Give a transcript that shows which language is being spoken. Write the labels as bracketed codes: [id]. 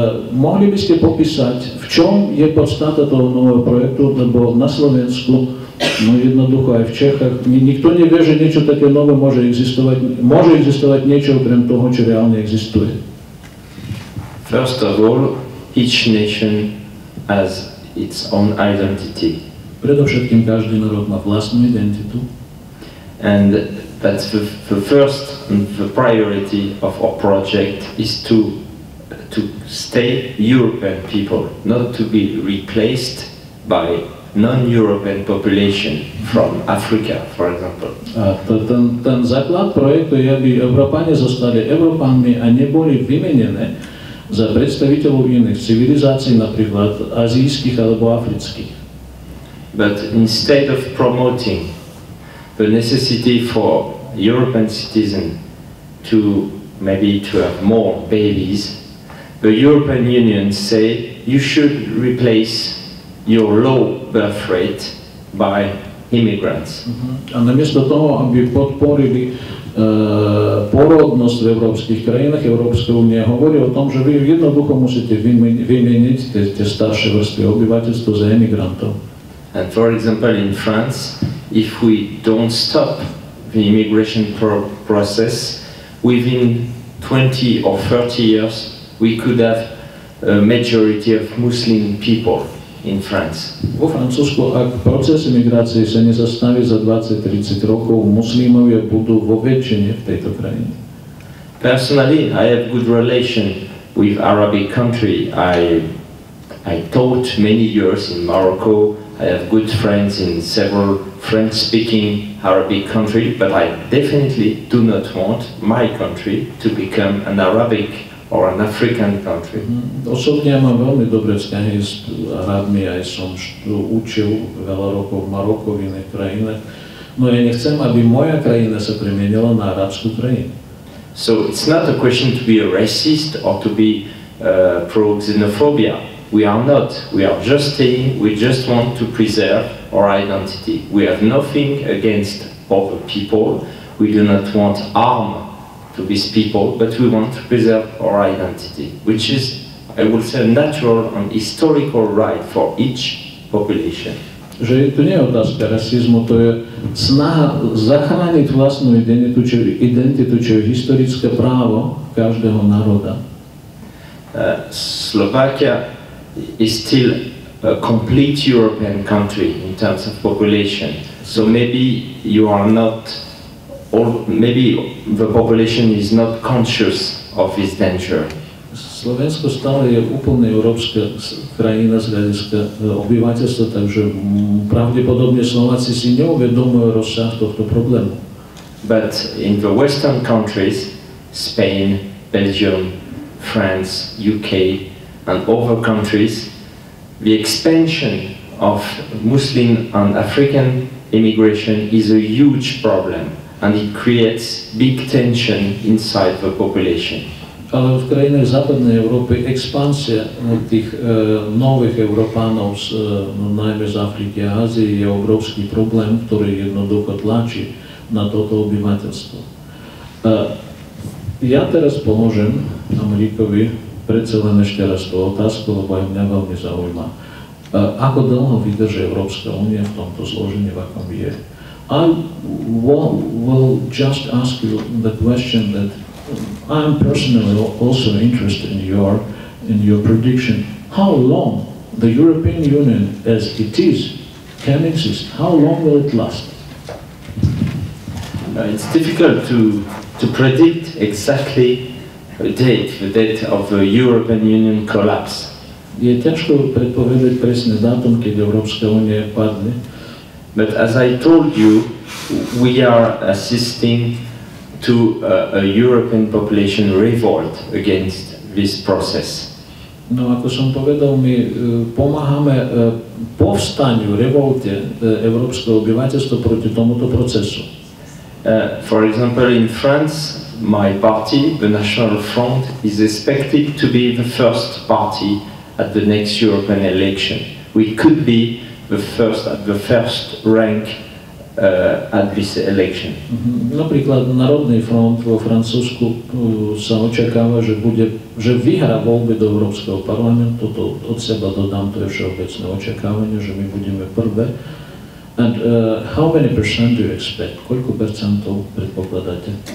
[sk] Mohli by ste popísať, v čom je podstata toho nového projektu, lebo na Slovensku, no jednoducho aj v Čechách, nikto nevie, že niečo také nové môže existovať niečo okrem toho, čo reálne existuje. [en] First of all, each nation has its own identity. [sk] Predovšetkým každý národ má vlastnú identitu. [en] And that's the first and the priority of our project is to stay European people, not to be replaced by non-European population from Africa, for example. [sk] Ten základ projektu je, aby Európania zostali Európanmi a neboli vymenené za predstaviteľov iných civilizácií, napríklad azijských alebo afrických. [en] But instead of promoting the necessity for European citizens to maybe to have more babies, the European Union say you should replace your low birth rate by immigrants. [sk] A namiesto toho, aby podporili porodnosť v európskych krajinách, Európska únia hovorí o tom, že vy jednoducho musíte vymeniť tie staršie vrstvy obyvateľstva za emigrantov. [en] And for example, in France, if we don't stop the immigration process, within 20 or 30 years, we could have a majority of Muslim people in France. [sk] Vo Francúzsku, ak proces imigrácie sa nezastaví za 20-30 rokov, muslimovia budú vo väčšine v tejto krajine. [en] Personally, I have good relation with Arabic country. I taught many years in Morocco. I have good friends in several French-speaking Arabic countries, but I definitely do not want my country to become an Arabic or an African country. [sk] Osobne ja mám veľmi dobré vzťahy s Arabmi, aj som učil veľa rokov v Maroku, v iných krajinách, no ja nechcem, aby moja krajina sa premenila na arabskú krajinu. [en] So it's not a question to be a racist or to be pro-xenophobia. We are not. We are just saying we just want to preserve our identity. We have nothing against other people. We do not want harm to these people, but we want to preserve our identity, which is, I would say, a natural and historical right for each population. [sk] Že to nie je otázka rasizmu, to je snaha zachrániť vlastnú identitu, čo je identitu, čo je historické právo každého národa. [en] Slovakia is still a complete European country in terms of population. So maybe you are not, or maybe the population is not conscious of its danger. [sk] Slovensko stále je úplne európska krajina z hľadiska obyvateľstva, takže pravdepodobne Slováci si neuvedomujú rozsah tohto problému. [en] But in the Western countries, Spain, Belgium, France, UK, and other countries, the expansion of Muslim and African immigration is a huge problem and it creates big tension inside the population. [sk] Ale v krajinách západnej Európy expansia tých nových Európanov, najmä z Afriky a Ázie, je obrovský problém, ktorý jednoducho tlačí na toto obyvateľstvo. Ja teraz pomôžem Aymeríkovi predsa len ešte raz tú otázku, lebo aj mňa veľmi zaujíma. Ako dlho vydrží Európska únia v tomto zložení, v akom je? [en] I will just ask you the question that I'm personally also interested in your prediction. How long the European Union as it is can exist? How long will it last? It's difficult to predict exactly the date of the European Union collapse. [sk] Je ťažko predpovedať presný dátum, keď Európska únia padne. [en] But as I told you, we are assisting to a European population revolt against this process. [sk] No, ako som povedal, my pomáhame povstaniu, revolte európskeho obyvateľstva proti tomuto procesu. [en] For example, in France, my party, the National Front, is expected to be the first party at the next European election. We could be the first rank at this election. [sk] Napríklad Národný front vo Francúzsku sa očakáva, že vyhrá voľby do Európskeho parlamentu. To od seba dodám, to je všeobecné očakávanie, že my budeme prvé. [en] And how many percent do you expect? [sk] Koľko percentov predpokladáte?